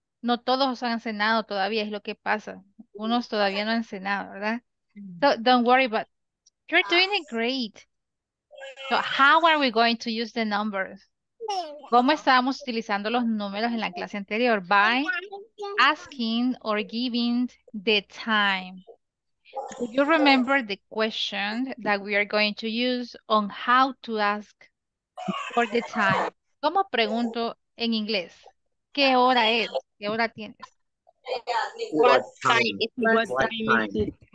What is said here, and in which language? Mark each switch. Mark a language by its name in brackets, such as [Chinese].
[Spanish] No todos han cenado todavía, es lo que pasa. Unos todavía no han cenado, ¿verdad? [English] So, don't worry, but you're doing it great. So, how are we going to use the numbers? [Spanish] ¿Cómo estábamos utilizando los números en la clase anterior? [English] By asking or giving the time. Do you remember the question that we are going to use on how to ask for the time? [Spanish] ¿Cómo pregunto en inglés? ¿Qué hora es? ¿Qué hora tienes? [English] What time is it?